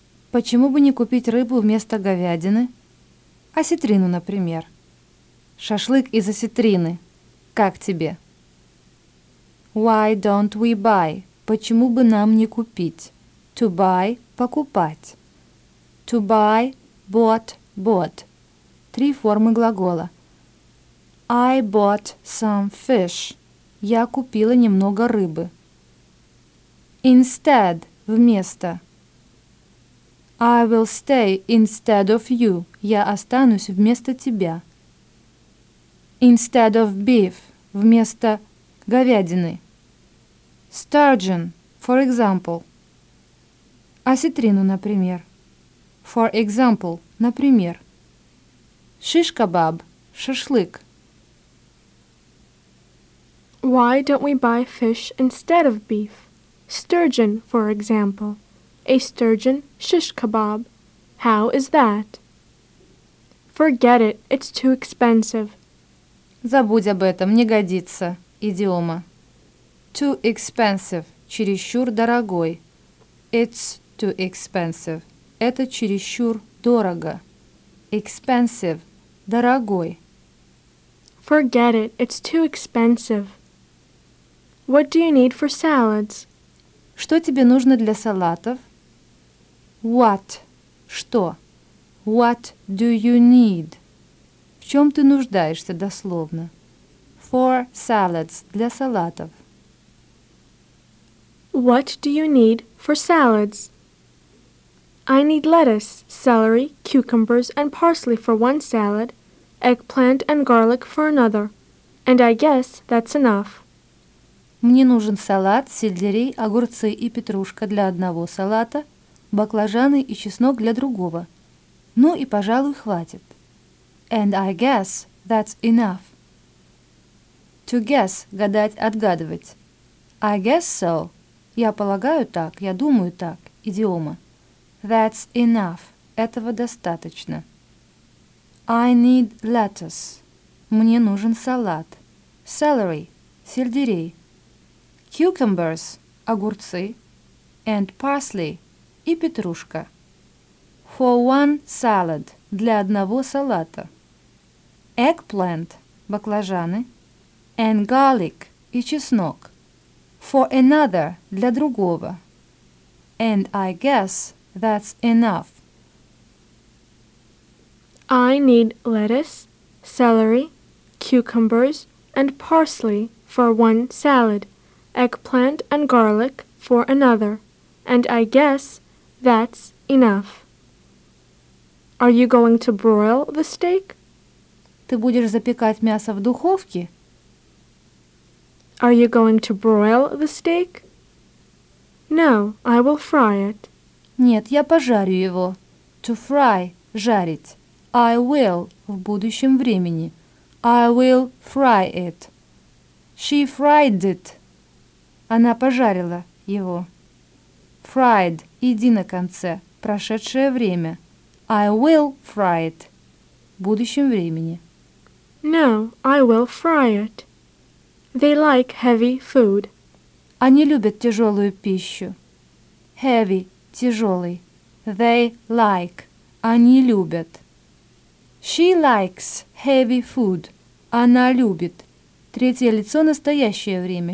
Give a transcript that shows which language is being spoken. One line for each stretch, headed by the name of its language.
Russian: Почему бы не купить рыбу вместо говядины? Осетрину, например. Шашлык из осетрины. Как тебе?
English: Why don't we buy?
Russian: Почему бы нам не купить?
English: To buy – покупать. To buy – bought – bought.
Russian: Три формы глагола.
English: I bought some fish.
Russian: Я купила немного рыбы.
English: Instead – вместо. I will stay instead of you.
Russian: Я останусь вместо тебя.
English: Instead of beef
Russian: – вместо говядины.
English: Sturgeon – for example.
Russian: Осетрину, например.
English: For example – например.
Russian: Шиш-кабаб – шашлык.
English: Why don't we buy fish instead of beef? Sturgeon, for example. A sturgeon shish kebab. How is that? Forget it, it's too expensive.
Russian: Забудь об этом, не годится. Идиома.
English: Too expensive.
Russian: Чересчур дорогой.
English: It's too expensive.
Russian: Это чересчур дорого.
English: Expensive. Дорогой. Forget it, it's too expensive. What do you need for salads?
Russian: Что тебе нужно для салатов?
English: What?
Russian: Что?
English: What do you need?
Russian: В чем ты нуждаешься дословно?
English: For salads.
Russian: Для салатов.
English: What do you need for salads? I need lettuce, celery, cucumbers and parsley for one salad, eggplant and garlic for another. And I guess that's enough.
Russian: Мне нужен салат, сельдерей, огурцы и петрушка для одного салата, баклажаны и чеснок для другого. Ну и, пожалуй, хватит.
English: And I guess that's enough. To guess – гадать, отгадывать. I guess so.
Russian: Я полагаю так, я думаю так. Идиома.
English: That's enough.
Russian: Этого достаточно.
English: I need lettuce.
Russian: Мне нужен салат.
English: Celery – сельдерей. Cucumbers – огурцы, and parsley –
Russian: и петрушка.
English: For one salad –
Russian: для одного салата.
English: Eggplant – баклажаны, and garlic –
Russian: и чеснок.
English: For another –
Russian: для другого.
English: And I guess that's enough. I need lettuce, celery, cucumbers, and parsley for one salad. Eggplant and garlic for another. And I guess that's enough. Are you going to broil the steak?
Russian: Ты будешь запекать мясо в духовке?
English: Are you going to broil the steak? No, I will fry it.
Russian: Нет, я пожарю его.
English: To fry – жарить. I will
Russian: – в будущем времени.
English: I will fry it. She fried it.
Russian: Она пожарила его. Fried – иди на конце, прошедшее время.
English: I will fry it.
Russian: В будущем времени.
English: No, I will fry it. They like heavy food.
Russian: Они любят тяжелую пищу.
English: Heavy – тяжелый. They like –
Russian: они любят.
English: She likes heavy food.
Russian: Она любит. Третье лицо – настоящее время.